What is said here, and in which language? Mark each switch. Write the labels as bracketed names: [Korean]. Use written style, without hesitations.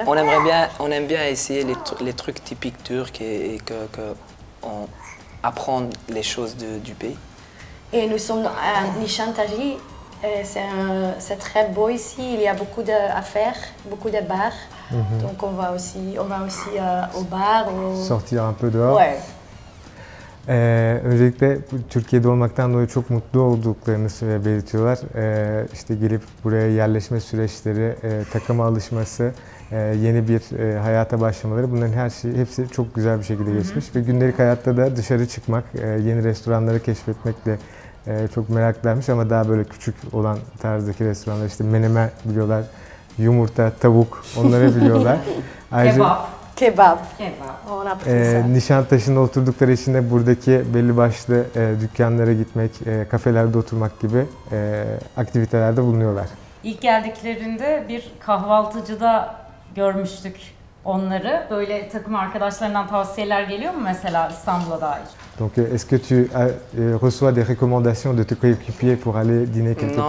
[French] Bah, on aime bien essayer les trucs typiques turcs et que on apprend les choses du pays. Et nous sommes à Nişantaşı, c'est très beau ici, il y a beaucoup d'affaires, beaucoup de bars. Mm-hmm. Donc on va aussi au bar ou sortir un peu dehors. Ouais. [Turkish] Öncelikle Türkiye'de olmaktan dolayı çok mutlu olduklarını belirtiyorlar. İşte gelip buraya yerleşme süreçleri, takıma alışması, yeni bir hayata başlamaları, bunların hepsi çok güzel bir şekilde geçmiş. Ve gündelik hayatta da dışarı çıkmak, yeni restoranları keşfetmekle çok meraklılarmış, ama daha böyle küçük olan tarzdaki restoranlar, işte menemen biliyorlar, yumurta, tavuk, onları biliyorlar. Ayrıca, kebap. Kebap. Nişantaşı'nda oturdukları için de buradaki belli başlı dükkanlara gitmek, kafelerde oturmak gibi aktivitelerde bulunuyorlar. İlk geldiklerinde bir kahvaltıcıda görmüştük onları. Böyle takım arkadaşlarından tavsiyeler geliyor mu mesela İstanbul'a dair? [French] Donc est-ce que tu reçois des recommandations de tes coéquipiers pour aller dîner quelque part?